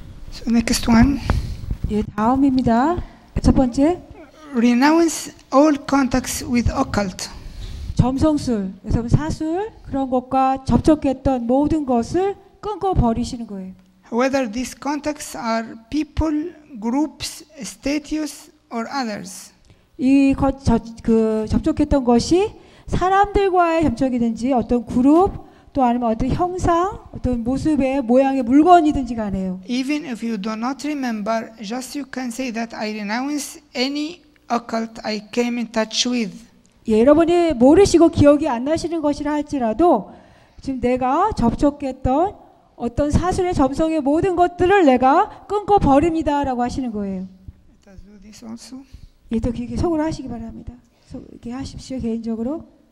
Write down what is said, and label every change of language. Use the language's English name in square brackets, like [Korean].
[English] So next one. [Korean] 예, 다음입니다. 첫 번째. [English] Renounce all contacts with occult. [Korean] 점성술, 여러분 사술 그런 것과 접촉했던 모든 것을 끊고 버리시는 거예요. [English] Whether these contacts are people, groups, statues, or others. [Korean] 이 그 접촉했던 것이 사람들과의 접촉이든지 어떤 그룹 또 아니면 어떤 형상 어떤 모습의 모양의 물건이든지 간에요. [English] Even if you do not remember, just you can say that I renounce any occult I came in touch with. [Korean] 예, 여러분이 모르시고 기억이 안 나시는 것이라 할지라도 지금 내가 접촉했던 어떤 사술의 점성의 모든 것들을 내가 끊고 버립니다라고 하시는 거예요. [English] Let us do this also. [Korean] 예, 또 이렇게 속으로 하시기 바랍니다. 이렇게 하십시오, 개인적으로.